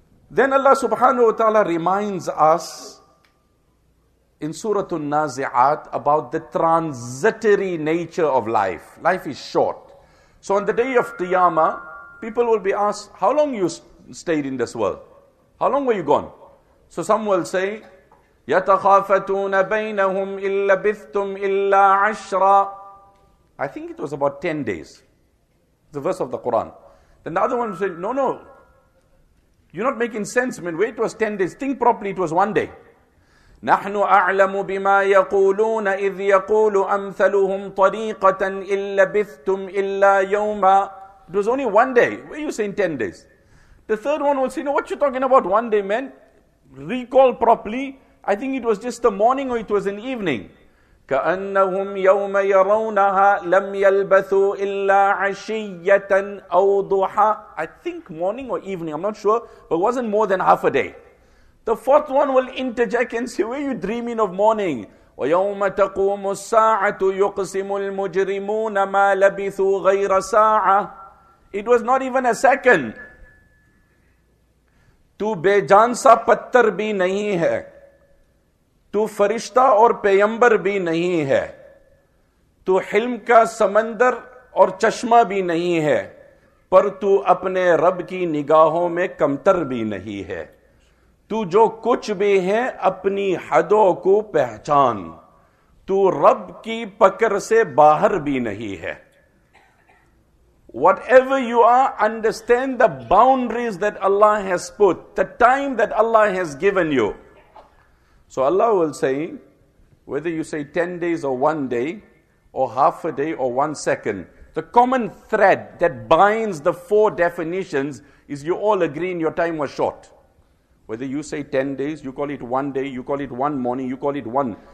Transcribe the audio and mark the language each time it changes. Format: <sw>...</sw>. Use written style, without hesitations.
<en>Then Allah subhanahu wa ta'ala reminds us in Surah An-Nazi'at about the transitory nature of life. Life is short. So on the day of Qiyamah, people will be asked, how long you stayed in this world? How long were you gone? So some will say,</en> <ar>يَتَخَافَتُونَ بَيْنَهُمْ إِلَّا بِثْتُمْ إِلَّا عَشْرًا.</ar> <en>I think it was about 10 days. The verse of the Quran. Then the other one said, no. You're not making sense, man. Wait, it was 10 days. Think properly, it was one day.</en> <ar>نَحْنُ أَعْلَمُ بِمَا يَقُولُونَ إِذْ يَقُولُ أَمْثَلُهُمْ طَرِيقَةً إِلَّا بِثْتُمْ إِلَّا يَوْمًا.</ar> <en>It was only one day. Why are you saying 10 days? The third one will say, no, what you talking about one day, man? Recall properly. I think it was just the morning or it was an evening.</en> <ar>كأنهم يوم يرونها لم يلبثوا إلا عشية أو ضحى.</ar> <en>I think morning or evening, I'm not sure, but it wasn't more than half a day. The fourth one will interject and say, were you dreaming of morning?</en> <ar>وَيَوْمَ تَقُومُ السَّاعَةُ يُقْسِمُ الْمُجْرِمُونَ مَا لَبِثُوا غَيْرَ سَاعَةٍ.</ar> <en>It was not even a second.</en> <ur>تو بے جان سا پتھر بھی نہیں ہے, تو فرشتہ اور پیغمبر بھی نہیں ہے, تو حلم کا سمندر اور چشمہ بھی نہیں ہے, پر تو اپنے رب کی نگاہوں میں کمتر بھی نہیں ہے. تو جو کچھ بھی ہے اپنی حدوں کو پہچان, تو رب کی پکڑ سے باہر بھی نہیں ہے.</ur> <en>Whatever you are, understand the boundaries that Allah has put, the time that Allah has given you. So Allah will say, whether you say 10 days or 1 day or half a day or 1 second, the common thread that binds the four definitions is you all agree your time was short. Whether you say 10 days, you call it 1 day, you call it 1 morning, you call it 1.</en>